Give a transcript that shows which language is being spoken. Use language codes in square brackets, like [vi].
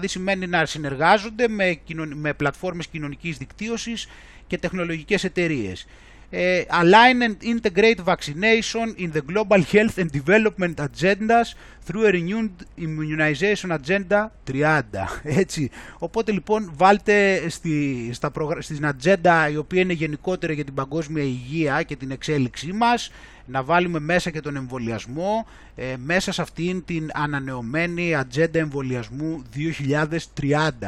[el] Δηλαδή σημαίνει να συνεργάζονται με πλατφόρμες κοινωνικής δικτύωσης και τεχνολογικές εταιρείες. [en] Align and integrate vaccination in the global health and development agendas through a renewed immunization agenda 30. [el] Έτσι. Οπότε λοιπόν βάλτε στην ατζέντα η οποία είναι γενικότερα για την παγκόσμια υγεία και την εξέλιξή μας, να βάλουμε μέσα και τον εμβολιασμό, μέσα σε αυτήν την ανανεωμένη ατζέντα εμβολιασμού 2030.